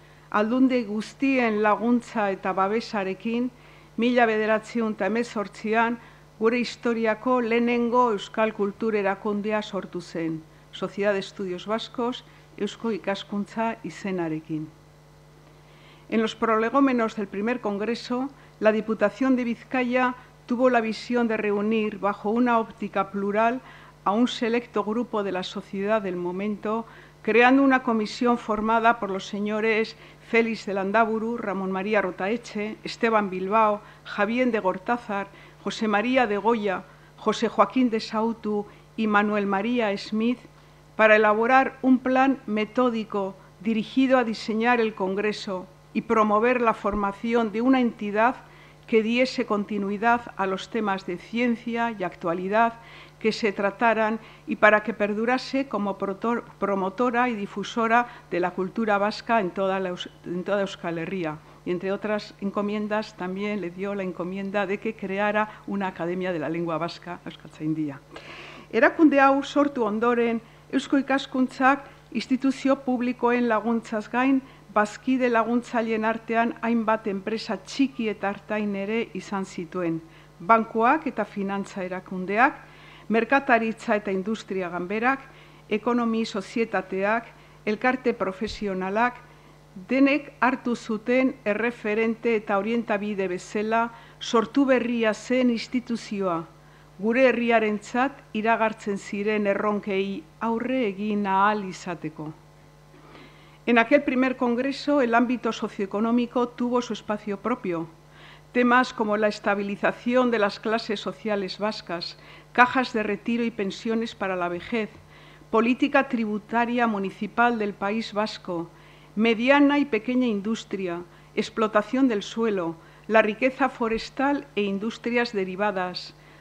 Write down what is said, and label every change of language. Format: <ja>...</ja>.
<eu>Aldunde guztien laguntza eta babesarekin, 1918an, gure historiako lehenengo Euskal Kultura Erakundea sortu zen, Sociedad de Estudios Vascos, Eusko Ikaskuntza izenarekin.</eu> <es>En los prolegómenos del primer congreso, la Diputación de Vizcaya tuvo la visión de reunir bajo una óptica plural a un selecto grupo de la sociedad del momento, creando una comisión formada por los señores Félix de Landaburu, Ramón María Rotaeche, Esteban Bilbao, Javier de Gortázar, José María de Goya, José Joaquín de Sautu y Manuel María Smith, para elaborar un plan metódico dirigido a diseñar el Congreso y promover la formación de una entidad que diese continuidad a los temas de ciencia y actualidad que se trataran y para que perdurase como promotora y difusora de la cultura vasca en toda Euskal Herria. Y entre otras encomiendas, también le dio la encomienda de que creara una Academia de la Lengua Vasca, Euskaltzaindia.</es> <eu>Erakunde hau sortu ondoren, Eusko Ikaskuntzak instituzio publikoen laguntzaz gain, bazkide laguntzaileen artean hainbat enpresa txiki eta artain ere izan zituen. Bankuak eta finantza erakundeak, merkataritza eta industria ganberak, ekonomi sozietateak, elkarte profesionalak, denek hartu zuten erreferente eta orientabide bezala sortu berria zen instituzioa. Gure herriarentzat iragartzen ziren erronkei aurre egin ahal izateko.</eu> <es>En aquel primer congreso, el ámbito socioeconómico tuvo su espacio propio. Temas como la estabilización de las clases sociales vascas, cajas de retiro y pensiones para la vejez, política tributaria municipal del País Vasco, mediana y pequeña industria, explotación del suelo, la riqueza forestal e industrias derivadas,</es>